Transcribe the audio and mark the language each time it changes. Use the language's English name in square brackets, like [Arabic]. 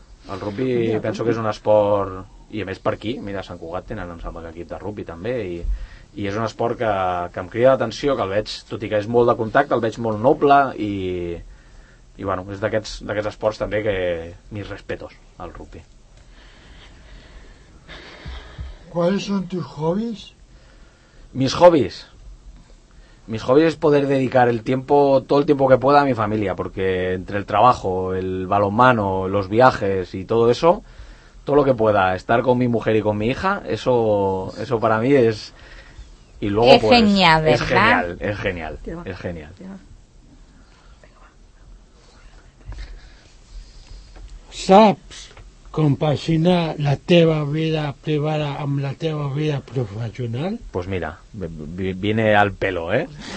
[Catalan] El rugby penso que és un esport, i a més per aquí, mira, Sant Cugat tenen, em sembla, equip de rugby també, i és un esport que em crida l'atenció, que el veig, tot i que és molt de contacte, el veig molt noble, i bueno, és d'aquests esports també que [Spanish] mis respetos al rugby. ¿Cuáles son tus hobbies? Mis hobbies es poder dedicar el tiempo, todo el tiempo que pueda, a mi familia, porque entre el trabajo, el balonmano, los viajes y todo eso, todo lo que pueda, estar con mi mujer y con mi hija, eso para mí es... Y luego, qué pues, genial, ¿verdad? Es genial. [Catalan] ¿Saps compaginar la teva vida privada amb la teva vida professional? [Spanish] Pues mira, viene al pelo, ¿eh?